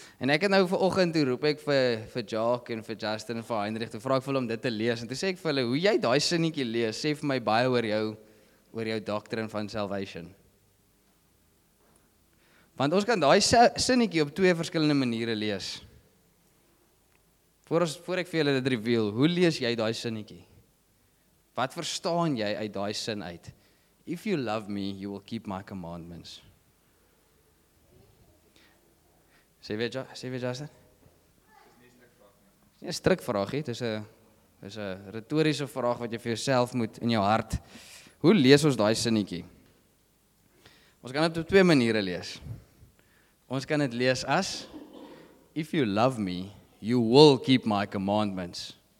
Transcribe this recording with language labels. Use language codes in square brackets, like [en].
[af] En ek het nou vanoggend toe roep ek vir Jacques en vir Justin en vir Heinrich, toe vra ek vir hulle om dit te lees, en toe sê ek vir hulle, hoe jy daai sinnetjie lees, sê vir my baie oor jou doctrine van salvation. Want ons kan daai sinnetjie op 2 verskillende maniere lees. Voor ek vir julle dit reveal, hoe lees jy daai sinnetjie? Wat verstaan jy uit daai sin uit? [en] If you love me, you will keep my commandments. [af] Sê weet jy, Justin? Dit is nie 'n strik vraag nie. Dit is 'n retoriese vraag wat jy vir jouself moet in jou hart. Hoe lees ons daai sinnetjie? Ons kan dit op 2 maniere lees. Ons kan dit lees as, [en] if you love me, you will keep my commandments.